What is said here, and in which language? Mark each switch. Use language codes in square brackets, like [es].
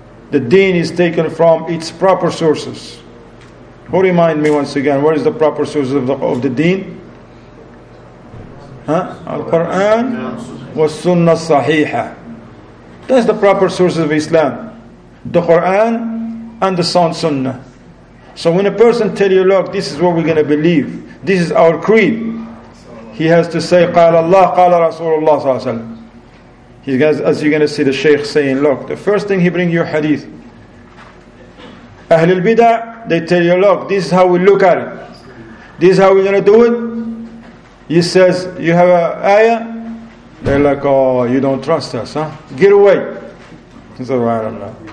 [en] The deen is taken from its proper sources. Who remind me once again, what is the proper sources of the deen? Huh? [ar] Al-Quran wa Sunnah Sahiha. [en] That's the proper sources of Islam. The Quran and the Sunnah. So when a person tells you, look, this is what we're going to believe. This is our creed. He has to say, [ar] قَالَ اللَّهُ قَالَ رَسُولُ اللَّهُ صَلَّى اللَّهُ عَلَيْهِ وَسَلَّمُ. [en] He has, as you're going to see the Shaykh saying, look, the first thing he brings you hadith. Ahlul Bidah, they tell you, look, this is how we look at it. This is how we're going to do it. He says, you have an ayah? They're like, oh, you don't trust us, huh? Get away. He says, well, I don't know.